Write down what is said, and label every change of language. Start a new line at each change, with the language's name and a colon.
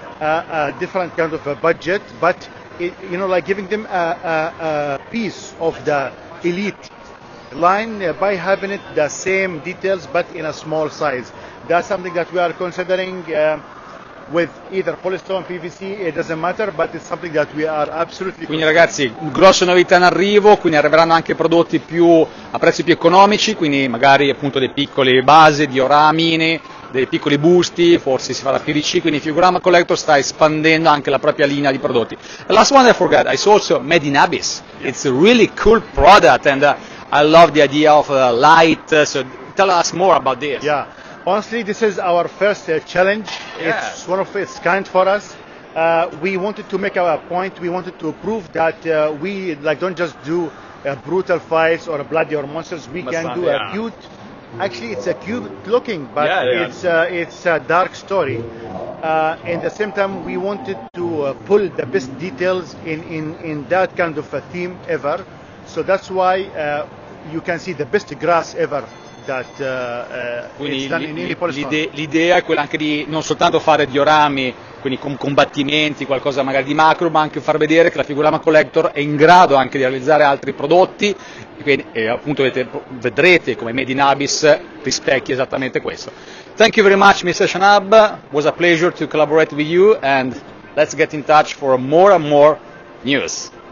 English: a different kind of a budget, but it, you know, like giving them a piece of the elite line by having it the same details but in a small size. That's something that we are considering with either polystyrene PVC, it doesn't matter, but it's something that we are absolutely.
Italian: Quindi ragazzi, grosse novità in arrivo, quindi arriveranno anche prodotti più a prezzi più economici, quindi magari appunto dei piccoli base, dioramine, dei piccoli busti, forse si farà PVC, quindi Figurama Collector sta espandendo anche la propria linea di prodotti.
English: The last one I forgot, it's also made in Abyss. It's a really cool product and I love the idea of light. So tell us more about this. Yeah. Honestly, this is our first challenge. Yeah. It's one of its kind for us. We wanted to make our point. We wanted to prove that we like don't just do brutal fights or bloody or monsters. We can do a cute. Actually, it's a cute looking, but it's a dark story. At the same time, we wanted to pull the best details in that kind of a theme ever. So that's why you can see the best grass ever. That,
Italian: quindi l'idea è quella anche di non soltanto fare diorami, quindi con combattimenti, qualcosa magari di macro, ma anche far vedere che la Figurama Collector è in grado anche di realizzare altri prodotti, quindi, e appunto vedrete come Made in Abyss rispecchia esattamente questo.
English: Thank you very much Mr. Shanab, was a pleasure to collaborate with you and let's get in touch for more and more news.